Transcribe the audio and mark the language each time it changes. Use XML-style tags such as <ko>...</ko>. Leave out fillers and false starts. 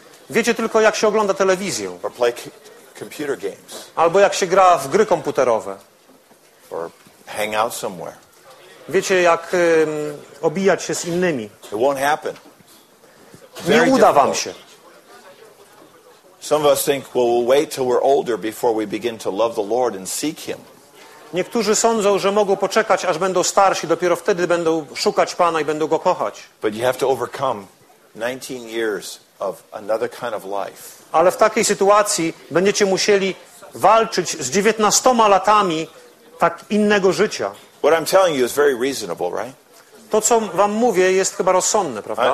<pl>Wiecie tylko jak się ogląda telewizję.</pl> <en>Or play computer games.</en> <pl>Albo jak się gra w gry komputerowe.</pl> <en>Or hang out somewhere.</en> <pl>Wiecie, jak obijać się z innymi.</pl> <en>It won't happen.</en> <pl>Nie uda wam się.</pl> <en>Some of us think, well, we'll wait till we're older before we begin to love the Lord and seek him.</en> <pl>Niektórzy sądzą, że mogą poczekać, aż będą starsi, dopiero wtedy będą szukać Pana i będą go kochać.</pl> <en>But you have to overcome 19 years of another kind of life.</en> <pl>Ale w takiej sytuacji będziecie musieli walczyć z 19 latami tak innego życia.</pl> <en>What I'm telling you is very reasonable, right?</en> <pl>To, co wam mówię, jest chyba rozsądne, prawda?</pl>